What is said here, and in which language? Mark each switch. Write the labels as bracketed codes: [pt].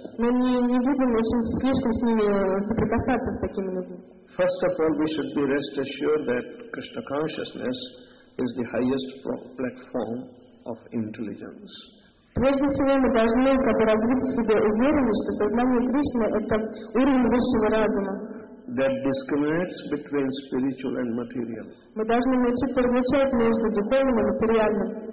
[ru] Мы не будем очень слишком с ними соприкасаться с такими людьми. [en] First of all, we should be rest assured that Krishna consciousness is the highest platform of intelligence. [ru] Прежде всего, мы должны как бы развить в себе уверенность, что сознание Кришны — это уровень высшего разума. [en] That discriminates between spiritual and material. [ru] Мы должны научиться различать между духовным и материальным.